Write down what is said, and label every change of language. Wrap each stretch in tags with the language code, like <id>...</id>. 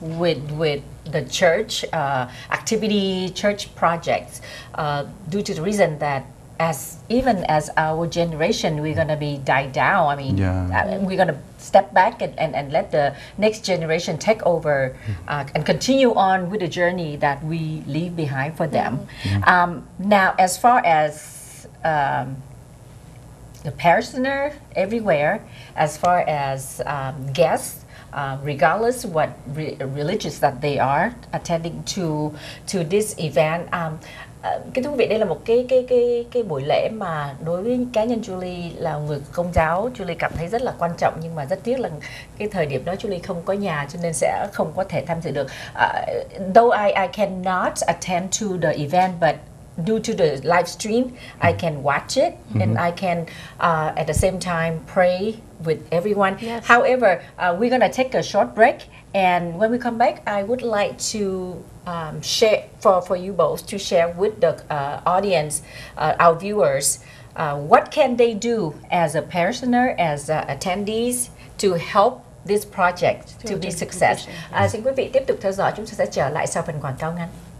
<en>With the church activity, church projects, due to the reason that even as our generation, we're gonna be died down. I mean, we're gonna step back and let the next generation take over and continue on with the journey that we leave behind for them. Mm-hmm. Now, as far as the parishioner everywhere, as far as guests, regardless what religious that they are attending to this event,</en> <vi>kính thưa quý vị, đây là một cái buổi lễ mà đối với cá nhân Julie là người Công giáo, Julie cảm thấy rất là quan trọng, nhưng mà rất tiếc là cái thời điểm đó Julie không có nhà cho nên sẽ không có thể tham dự được.</vi> <en>Though I cannot attend to the event, but due to the live stream, I can watch it, and I can at the same time pray with everyone. Yes. However, we're gonna take a short break, and when we come back, I would like to share for you both to share with the audience, our viewers, what can they do as a parishioner, as attendees, to help this project to be successful.</en> <vi>Xin quý vị tiếp tục theo dõi. Chúng ta sẽ trở lại sau phần quảng cáo ngắn.</vi>